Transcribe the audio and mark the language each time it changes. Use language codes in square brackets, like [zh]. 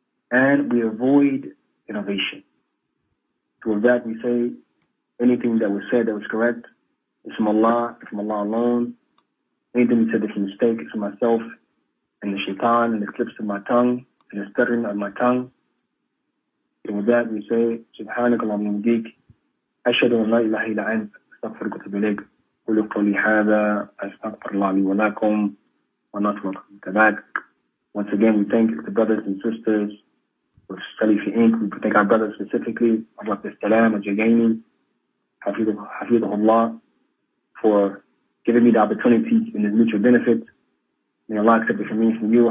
[en] And we avoid innovation. So with that, we say anything that was said that was correct is from Allah, from Allah alone. Anything we said that's a mistake is from myself and the shaitan and the clips of my tongue and the stuttering of my tongue. [ar] And with that, we say, سبحانك اللهم وبحمدك أشهد أن لا إله إلا أنت أستغفرك وأتوب إليك قل قولي هذا أستغفر الله لي ولكم ونترك بعدك. [en] Once again, we thank the brothers and sisters of Salafy Inc. We thank our brothers specifically, Abu Salam, Ajayani, Hafidhullah, for giving me the opportunity in this mutual benefit. May Allah accept it from me, from you.